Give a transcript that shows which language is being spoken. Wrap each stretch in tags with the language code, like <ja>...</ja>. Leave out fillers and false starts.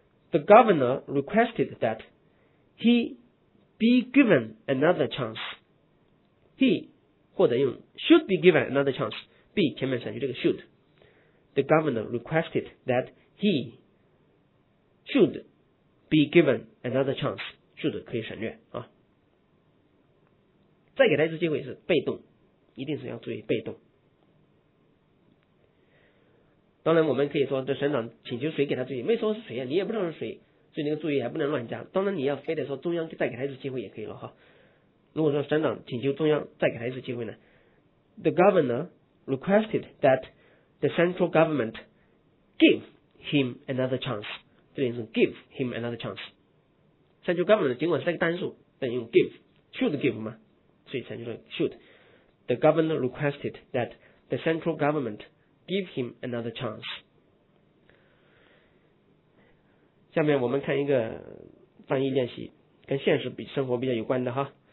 <en>The governor requested that he be given another chance。</en> <zh>he 或者用</zh> <en>should be given another chance，</en> <zh>be 前面省去这个 should。</zh> <en>The governor requested that he should be given another chance， should</en> <zh>可以省略啊。再给他一次机会是被动，一定是要注意被动。当然我们可以说这省长请求谁给他注意，没说是谁啊，你也不知道是谁，所以那个注意还不能乱加。当然你要非得说中央再给他一次机会也可以了哈。如果说省长请求中央再给他一次机会呢，</zh> <en>The governor requested that the central government give him another chance，</en> <zh>这里是</zh> <en>give him another chance。</en> <zh>central government 尽管是一个单数，但用 give，</zh> <en>should give</en> <zh>嘛，所以才叫做 should。</zh> <en>The governor requested that the central government give him another chance。</en> <zh>下面我们看一个翻译练习，跟现实比生活比较有关的哈。</zh>